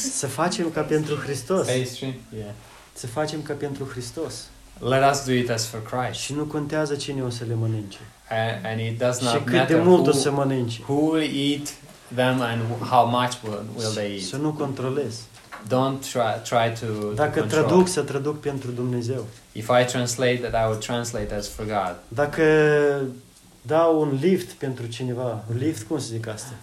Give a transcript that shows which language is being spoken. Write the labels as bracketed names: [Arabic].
[Romanian] Să facem ca pentru Hristos. [English] Pastry. [Romanian] Să facem ca pentru Hristos. [English] Let us do it as for Christ. [Romanian] Și nu contează cine o să le mănânce. [English] And it does not [Romanian] și cât de mult o să mănânce. [English] Who will eat them and how much will they eat? [Romanian] Să nu controlez. [English] Don't try to control. [Romanian] Dacă traduc, să traduc pentru Dumnezeu. [English] If I translate, that I will translate as for God. [Romanian] Dacă dau un lift pentru cineva, lift cum se zic asta?